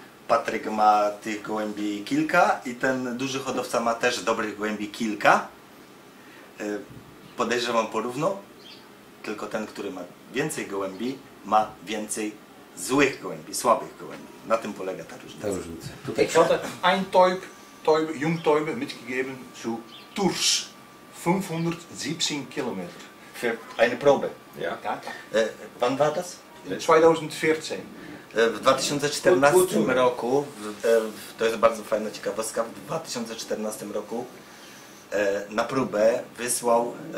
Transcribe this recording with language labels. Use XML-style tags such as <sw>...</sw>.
<pl>Patryk ma tych gołębi kilka i ten duży hodowca ma też dobrych gołębi kilka. Podejrzewam porówno, tylko ten, który ma więcej gołębi, ma więcej złych gołębi, słabych gołębi. Na tym polega ta różnica. Tutaj</pl> <de>ein Täub, Jungtäube mitgegeben zu Tursch, 517 km. Für eine Probe. Ja. Wann war das? 2014.</de> <pl>W 2014 roku, to jest bardzo fajna ciekawostka, w 2014 roku na próbę wysłał</pl>